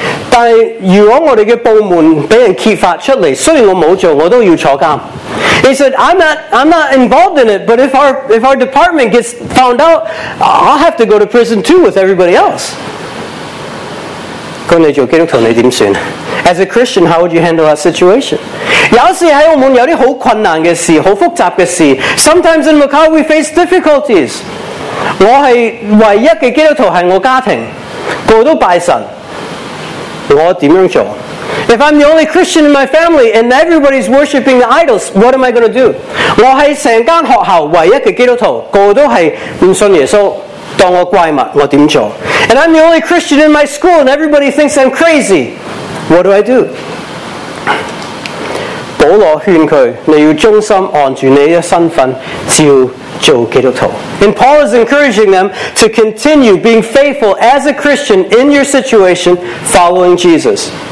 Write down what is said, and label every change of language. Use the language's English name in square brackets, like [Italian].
[Chinese] 但如果我们的部门被人揭发出来虽然我没做我都要坐监 [English] He said, I'm not involved in it, but if our department gets found out, I'll have to go to prison too with everybody else. [Chinese] 跟你做基督徒你怎么算? [English] As a Christian, how would you handle that situation? [Chinese] 有时在澳门有些很困难的事,很复杂的事。 [English] Sometimes in Macau we face difficulties. [Chinese] 我是唯一的基督徒是我家庭,我都拜神。我怎么做? [English] If I'm the only Christian in my family and everybody's worshiping the idols, what am I going to do? [Chinese] 我是整间学校唯一的基督徒，个个都是不信耶稣，当我怪物，我怎么做？ [English] And I'm the only Christian in my school and everybody thinks I'm crazy. What do I do? [Chinese] 保罗劝他，你要忠心按住你的身份，照做基督徒。 [English] And Paul is encouraging them to continue being faithful as a Christian in your situation, following Jesus.